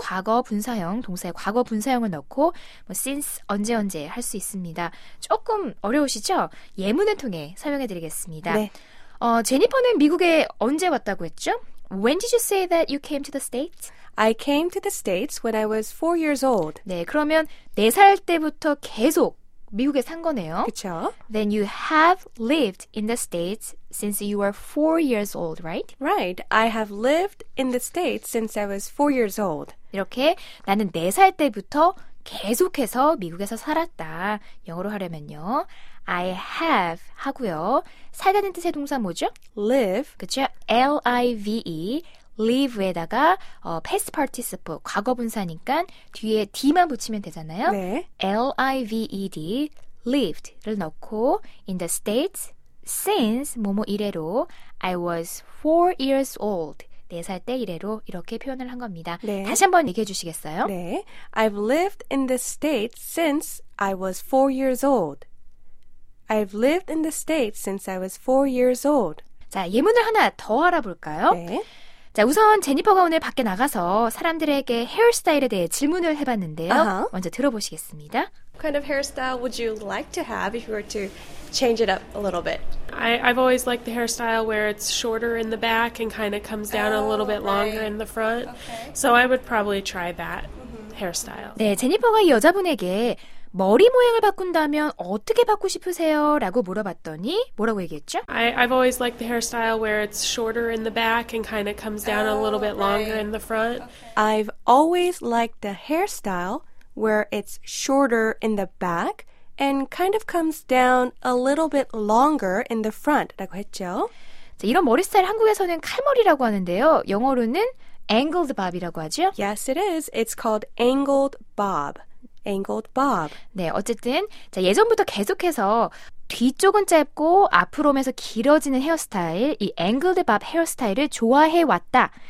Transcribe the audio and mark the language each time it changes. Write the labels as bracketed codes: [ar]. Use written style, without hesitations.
[ko] 과거 분사형, 동사의 과거 분사형을 넣고 뭐 since 언제 언제 할 수 있습니다. 조금 어려우시죠? 예문을 통해 설명해드리겠습니다. 네. 제니퍼는 미국에 언제 왔다고 했죠? [en] When did you say that you came to the States? I came to the States when I was 4 years old. [ko] 네, 그러면 4살 때부터 계속 미국에 산 거네요. 그렇죠. [en] Then you have lived in the States since you were 4 years old, right? Right. I have lived in the States since I was 4 years old. [ko] 이렇게 나는 4살 때부터 계속해서 미국에서 살았다. 영어로 하려면요. I have 하고요. 살다는 뜻의 동사 뭐죠? [en] Live. [ko] 그렇죠? L-I-V-E. Live에다가 [en] past participle, [ko] 과거분사니까 뒤에 D만 붙이면 되잖아요. 네. L-I-V-E-D, lived를 넣고 [en] in the States since [ko] 뭐뭐 이래로 [en] I was 4 years old [ko] 4살 때 이래로 이렇게 표현을 한 겁니다. 네. 다시 한번 얘기해 주시겠어요? 네. [en] I've lived in the States since I was 4 years old. I've lived in the States since I was 4 years old. [ko] 자, 예문을 하나 더 알아볼까요? 네. 자, 우선 제니퍼가 오늘 밖에 나가서 사람들에게 헤어스타일에 대해 질문을 해봤는데요. Uh-huh. 먼저 들어보시겠습니다. [en] What kind of hairstyle would you like to have if you were to change it up a little bit? I've always liked the hairstyle where it's shorter in the back and kind of comes down a little bit longer in the front. Okay. So I would probably try that hairstyle. [ko] 네, 제니퍼가 이 여자분에게 머리 모양을 바꾼다면 어떻게 바꾸고 싶으세요? 라고 물어봤더니 뭐라고 얘기했죠? [en] I've always liked the hairstyle where it's shorter in the back and kind of comes down a little bit longer in the front. Okay. I've always liked the hairstyle where it's shorter in the back and kind of comes down a little bit longer in the front. [ko] 라고 했죠? 자, 이런 머리 스타일 한국에서는 칼머리라고 하는데요. 영어로는 angled bob이라고 하죠? [en] Yes, it is. It's called angled bob. Angled bob. [ko] 네, 어쨌든 자, 예전부터 계속해서 뒤쪽은 짧고 앞으로 오면서 길어지는 헤어스타일, 이 angled bob 헤어스타일을 좋아해 왔다.